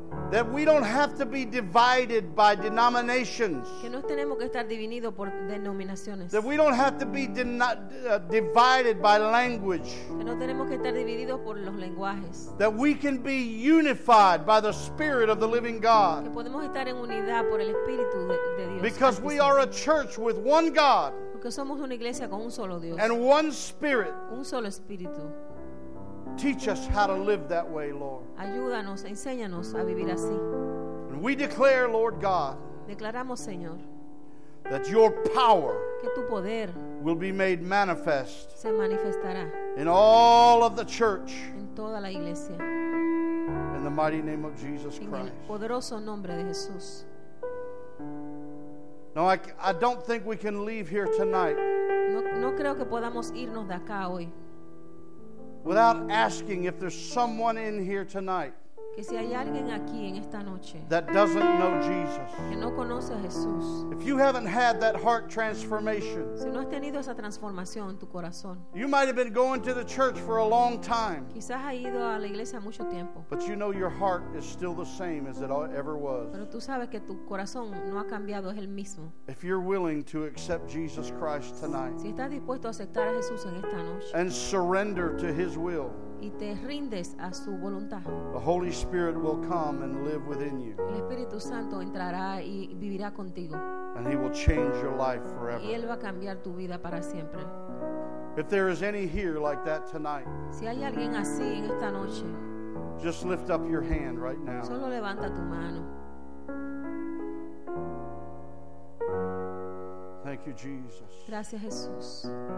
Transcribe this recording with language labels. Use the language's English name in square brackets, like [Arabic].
[English] That we don't have to be divided by denominations. [Spanish] Que no tenemos que estar divididos por denominaciones. [English] That we don't have to be divided by language. [Spanish] Que no tenemos que estar divididos por los lenguajes. [English] That we can be unified by the Spirit of the living God. [Spanish] Que podemos estar en unidad por el Espíritu de Dios. [English] Because we are a church with one God. [Spanish] Porque somos una iglesia con un solo Dios. [English] And one Spirit. [Spanish] Un solo Espíritu. [English] Teach us how to live that way, Lord. [Spanish] Ayúdanos, enséñanos a vivir así. [English] And we declare, Lord God, [Spanish] declaramos, Señor, [English] that your power, [Spanish] que tu poder, [English] will be made manifest, [Spanish] se manifestará, [English] in all of the church, [Spanish] en toda la iglesia, [English] in the mighty name of Jesus Christ. [Spanish] En el poderoso nombre de Jesús. [English] No, I don't think we can leave here tonight. [Spanish] No creo que podamos irnos de acá hoy. [English] Without asking if there's someone in here tonight [Spanish] que si hay alguien aquí en esta noche [English] that doesn't know Jesus. [Spanish] Que no conoce a Jesús. [English] If you haven't had that heart transformation, [Spanish] si no has tenido esa transformación en tu corazón, [English] you might have been going to the church for a long time, [Spanish] quizás ha ido a la iglesia mucho tiempo, [English] but you know your heart is still the same as it ever was. [Spanish] Pero tú sabes que tu corazón no ha cambiado, es el mismo. [English] If you're willing to accept Jesus Christ tonight, [Spanish] si estás dispuesto a aceptar a Jesús en esta noche, [English] and surrender to his will, [Spanish] y te rindes a su voluntad, [English] the Holy Spirit will come and live within you. [Spanish] El Espíritu Santo entrará y vivirá contigo. [English] And he will change your life forever. [Spanish] Y él va a cambiar tu vida para siempre. [English] If there is any here like that tonight, [Spanish] si hay alguien así en esta noche, [English] just lift up your hand right now. [Spanish] Solo levanta tu mano. [English] Thank you, Jesus. [Spanish] Gracias, Jesús.